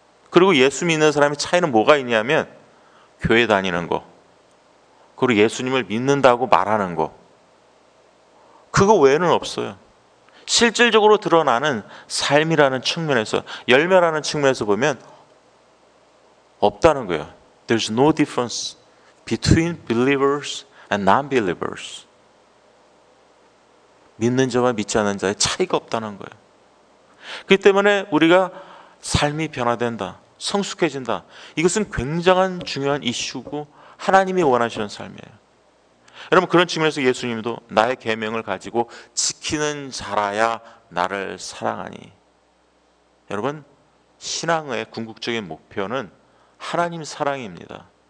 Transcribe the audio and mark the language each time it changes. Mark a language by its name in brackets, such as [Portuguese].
[Korean] 그리고 예수 믿는 사람의 차이는 뭐가 있냐면 교회 다니는 거 그리고 예수님을 믿는다고 말하는 거 그거 외에는 없어요. 실질적으로 드러나는 삶이라는 측면에서 열매라는 측면에서 보면 없다는 거예요. [English] There's no difference between believers and non-believers. [Korean] 믿는 자와 믿지 않는 자의 차이가 없다는 거예요. 그렇기 때문에 우리가 삶이 변화된다, 성숙해진다. 이것은 굉장한 중요한 이슈고 하나님이 원하시는 삶이에요. 여러분 그런 측면에서 예수님도 나의 계명을 가지고 지키는 자라야 나를 사랑하니 여러분 신앙의 궁극적인 목표는 하나님 사랑입니다.